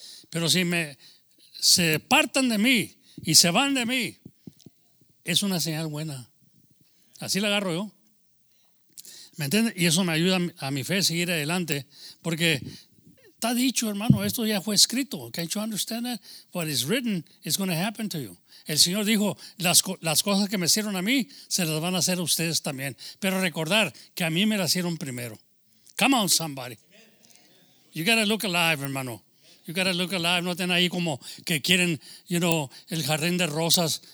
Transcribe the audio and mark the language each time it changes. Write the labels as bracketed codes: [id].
[es] Pero si me se apartan de mí y se van de mí, es una señal buena. Así la agarro yo. ¿Me entiendes? Y eso me ayuda a mi fe a seguir adelante. Porque está dicho, hermano, esto ya fue escrito. [en] Can't you understand that? What is written is going to happen to you. [es] El Señor dijo, las cosas que me hicieron a mí, se las van a hacer a ustedes también. Pero recordar que a mí me las hicieron primero. [en] Come on, somebody. You got to look alive, hermano. You got to look alive. [es] No estén ahí como que quieren, [en] you know, [es] el jardín de rosas.